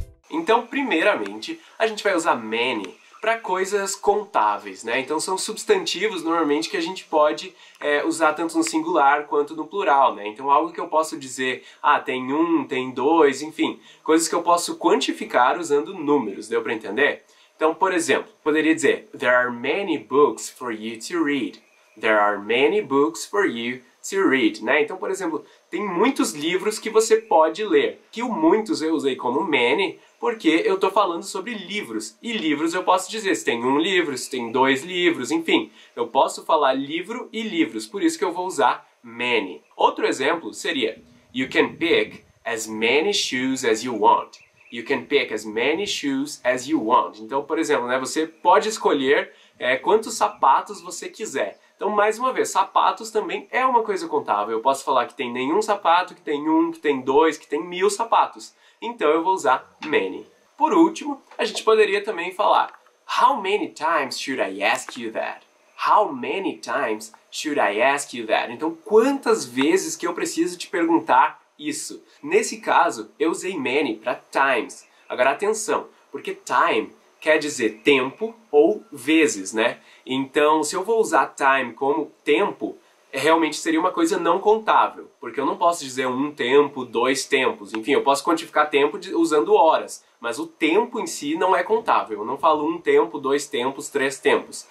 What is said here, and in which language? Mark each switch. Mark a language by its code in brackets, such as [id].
[pt] Então, primeiramente, a gente vai usar many para coisas contáveis, né? Então são substantivos normalmente que a gente pode usar tanto no singular quanto no plural, né? Então algo que eu posso dizer, ah, tem um, tem dois, enfim, coisas que eu posso quantificar usando números, deu para entender? Então, por exemplo, poderia dizer, [en] there are many books for you to read. There are many books for you to read, né? [pt] Então, por exemplo, tem muitos livros que você pode ler. Que o muitos eu usei como many, porque eu estou falando sobre livros. E livros eu posso dizer se tem um livro, se tem dois livros, enfim. Eu posso falar livro e livros, por isso que eu vou usar many. Outro exemplo seria, [en] you can pick as many shoes as you want. You can pick as many shoes as you want. [pt] Então, por exemplo, né, você pode escolher quantos sapatos você quiser. Então, mais uma vez, sapatos também é uma coisa contável. Eu posso falar que tem nenhum sapato, que tem um, que tem dois, que tem mil sapatos. Então, eu vou usar many. Por último, a gente poderia também falar, [en] how many times should I ask you that? How many times should I ask you that? [pt] Então, quantas vezes que eu preciso te perguntar isso? Nesse caso, eu usei many para times. Agora, atenção, porque time quer dizer tempo ou vezes, né? Então, se eu vou usar time como tempo, realmente seria uma coisa não contável, porque eu não posso dizer um tempo, dois tempos, enfim, eu posso quantificar tempo usando horas, mas o tempo em si não é contável, eu não falo um tempo, dois tempos, três tempos.